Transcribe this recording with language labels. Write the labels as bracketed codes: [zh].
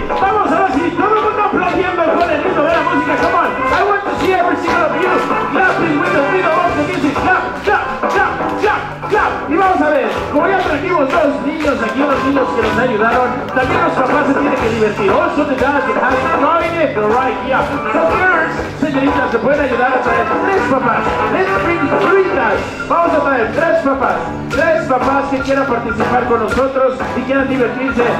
[es] Vamos a ver si todo el mundo aplaudiendo con el ritmo de la música. [en] Come on! I want to see every single of you clapping with the video of the music. Clap, clap, clap! [es] Y vamos a ver, como ya trajimos dos niños aquí, los niños que nos ayudaron, también los papás se tienen que divertir. [en] Also the dad that has joined it right here. So girls, [es] señoritas, se pueden ayudar a traer tres papás. [en] Let's bring three dads. [es] Vamos a traer tres papás. Tres papás que quieran participar con nosotros y quieran divertirse.